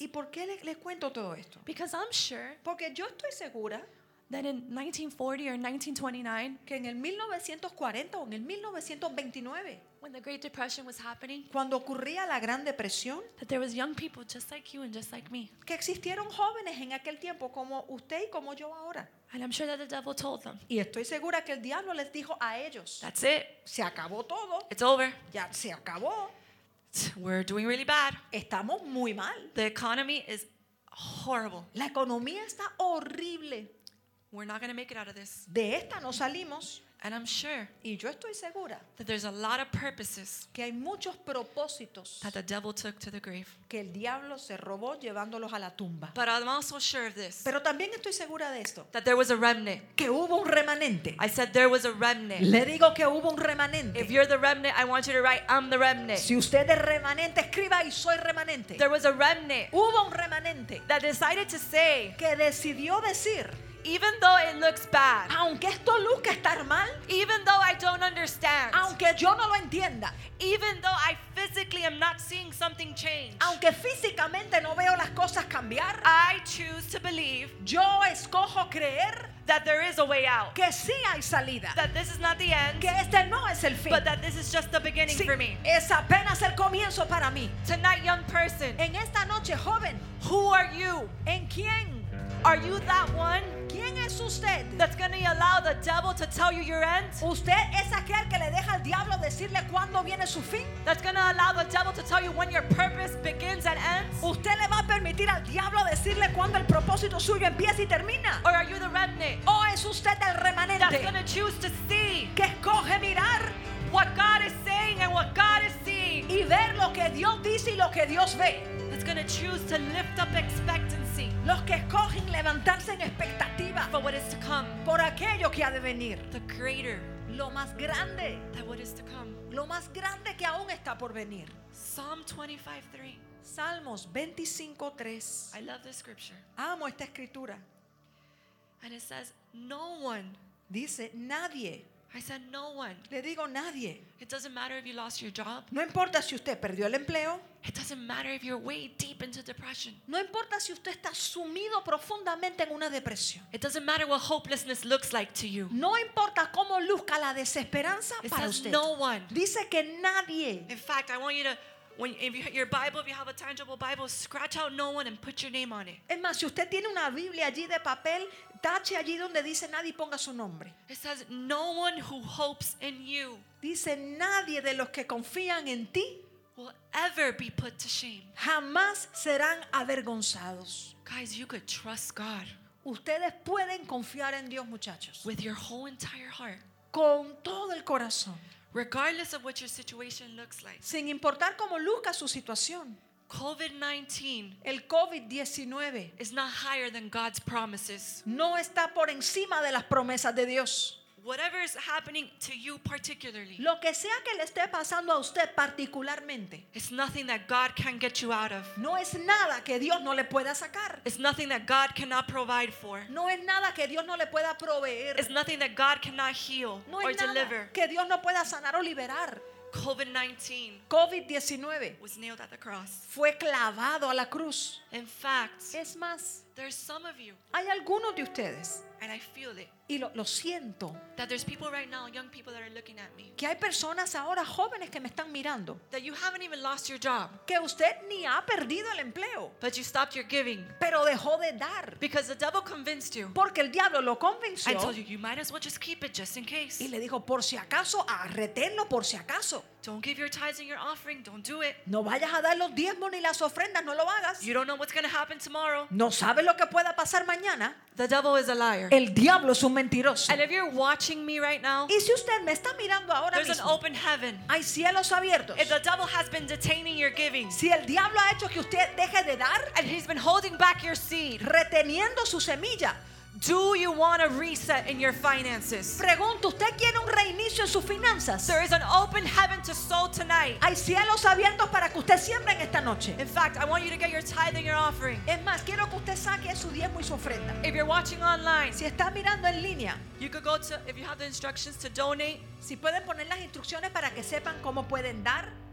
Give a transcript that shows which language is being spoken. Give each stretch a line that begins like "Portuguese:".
Spanish: ¿Y por qué les cuento todo esto?
English: Because I'm sure.
Spanish: Porque yo estoy segura.
English: That in 1940 or 1929,
Spanish: que en el 1940 o en el 1929,
English: when the Great Depression was happening,
Spanish: cuando ocurría la Gran Depresión,
English: that there was young people just like you and just like me,
Spanish: que existieron jóvenes en aquel tiempo como usted y como yo ahora.
English: And I'm sure that the devil told them.
Spanish: Y estoy segura que el diablo les dijo a ellos.
English: That's it.
Spanish: Se acabó todo.
English: It's over.
Spanish: Ya se acabó.
English: We're doing really bad.
Spanish: Estamos muy mal.
English: The economy is horrible.
Spanish: La economía está horrible.
English: We're not going to make it out of this.
Spanish: De esta no salimos.
English: And I'm sure.
Spanish: Y yo estoy segura.
English: That there's a lot of purposes.
Spanish: Que hay muchos propósitos.
English: That the devil took to the grave.
Spanish: Que el diablo se robó llevándolos a la tumba.
English: But I'm also sure of this.
Spanish: Pero también estoy segura de esto.
English: That there was a remnant.
Spanish: Que hubo un remanente.
English: I said there was a remnant.
Spanish: Le digo que hubo un remanente.
English: If you're the remnant, I want you to write, I'm the remnant.
Spanish: Si usted es remanente, escriba y soy remanente.
English: There was a remnant.
Spanish: Hubo un remanente.
English: That decided to say.
Spanish: Que decidió decir.
English: Even though it looks bad,
Spanish: aunque esto luzca estar mal,
English: even though I don't understand,
Spanish: aunque yo no lo entienda,
English: even though I physically am not seeing something change,
Spanish: aunque físicamente no veo las cosas cambiar,
English: I choose to believe,
Spanish: yo escojo creer,
English: that there is a way out,
Spanish: que sí hay salida,
English: that this is not the end,
Spanish: que este no es el fin,
English: but that this is just the beginning
Spanish: sí,
English: for me,
Spanish: es apenas el comienzo para mí.
English: Tonight, young person,
Spanish: en esta noche, joven,
English: who are you?
Spanish: ¿En quién?
English: Are you that one?
Spanish: ¿Quién es usted?
English: That's going to allow the devil to tell you your end?
Spanish: ¿Usted es aquel que le deja al diablo decirle cuándo viene su fin?
English: That's going to allow the devil to tell you when your purpose begins and ends?
Spanish: ¿Usted le va a permitir al diablo decirle cuándo el propósito suyo empieza y termina?
English: Or are you the remnant?
Spanish: ¿O es usted el remanente?
English: That's going to choose to see.
Spanish: ¿Qué escoge mirar?
English: What God is saying and what God is seeing.
Spanish: Y ver lo que Dios dice y lo que Dios ve.
English: That's going to choose to lift up expectancy.
Spanish: Los que escogen levantarse en expectativa
English: for what is to come,
Spanish: por aquello que ha de venir,
English: the greater,
Spanish: lo más grande,
English: that what is to come,
Spanish: lo más grande que aún está por venir.
English: Psalm 25:3. I love this scripture.
Spanish: Amo esta escritura.
English: And it says, no one,
Spanish: dice nadie.
English: I said no one.
Spanish: Le digo nadie.
English: It doesn't matter if you lost your job.
Spanish: No importa si usted perdió el empleo.
English: It doesn't matter if you're way deep into depression.
Spanish: No importa si usted está sumido profundamente en una depresión.
English: It doesn't matter what hopelessness looks like to you.
Spanish: No importa cómo luzca la desesperanza
English: it
Spanish: para
English: says
Spanish: usted.
English: No one.
Spanish: Dice que nadie.
English: In fact, I want you to if you have a tangible Bible, scratch out no one and put your name on it.
Spanish: Es más, si usted tiene una Biblia allí de papel, tache allí donde dice nadie y ponga su nombre.
English: It says no one who hopes in you.
Spanish: Dice nadie de los que confían en ti
English: will ever be put to shame.
Spanish: Jamás serán avergonzados.
English: Guys, you could trust God.
Spanish: Ustedes pueden confiar en Dios, muchachos.
English: With your whole entire heart.
Spanish: Con todo el corazón.
English: Regardless of what your situation looks like.
Spanish: Sin importar cómo luzca su situación.
English: COVID-19.
Spanish: El COVID-19
English: is not higher than God's promises.
Spanish: No está por encima de las promesas de Dios.
English: Whatever is happening to you particularly.
Spanish: Lo que sea que le esté pasando a usted particularmente.
English: It's nothing that God can get you out of.
Spanish: No es nada que Dios no le pueda sacar.
English: It's nothing that God cannot provide for.
Spanish: No es nada que Dios no le pueda proveer.
English: It's nothing that God cannot heal
Spanish: no
English: or deliver.
Spanish: No es nada que Dios no pueda sanar o liberar.
English: COVID-19 was nailed at the cross.
Spanish: Fue clavado a la cruz.
English: In fact,
Spanish: es más,
English: There's some of you.
Spanish: Hay algunos de ustedes.
English: And I feel it.
Spanish: Y lo siento.
English: That there's people right now, young people that are looking at me.
Spanish: Que hay personas ahora jóvenes que me están mirando.
English: That you haven't even lost your job.
Spanish: Que usted ni ha perdido el empleo.
English: But you stopped your giving.
Spanish: Pero dejó de dar.
English: Because the devil convinced you.
Spanish: Porque el diablo lo convenció.
English: I told you, you might as well just keep it just in case.
Spanish: Y le dijo, por si acaso, reténlo por si acaso.
English: Don't give your tithes and your offering. Don't do it.
Spanish: No vayas a dar los diezmos ni las ofrendas. No lo hagas.
English: You don't know what's going to happen tomorrow.
Spanish: No sabes lo que pueda pasar mañana.
English: The devil is a liar.
Spanish: El diablo es un mentiroso.
English: And if you're watching me right now,
Spanish: y si usted me está mirando ahora
English: there's
Spanish: mismo,
English: an open heaven.
Spanish: Hay cielos abiertos.
English: If the devil has been detaining your giving,
Spanish: si el diablo ha hecho que usted deje de dar,
English: and he's been holding back your seed,
Spanish: reteniendo su semilla.
English: Do you want a reset in your finances?
Spanish: Pregunto, ¿usted quiere un reinicio en sus finanzas?
English: There is an open heaven to sow tonight.
Spanish: Hay cielos abiertos para que usted siembre en esta noche.
English: In fact, I want you to get your tithe and your offering.
Spanish: Es más, quiero que usted saque su diezmo y su ofrenda.
English: If you're watching online,
Spanish: si está mirando en línea,
English: you could go to, if you have the instructions to donate,
Spanish: si pueden poner las instrucciones para que sepan cómo pueden dar.